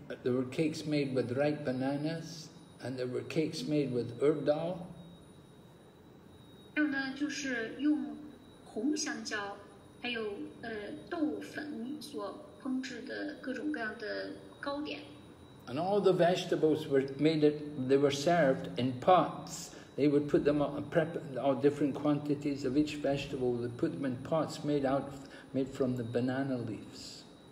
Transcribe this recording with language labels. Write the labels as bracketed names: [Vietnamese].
[English] There were cakes made with ripe bananas, and there were cakes made with herb dal. [Chinese] 还有呢，就是用红香蕉，还有豆粉所烹制的各种各样的糕点。 [English] And all the vegetables were made. They were served in pots. They would put them all, prep all different quantities of each vegetable. They put them in pots made from the banana leaves.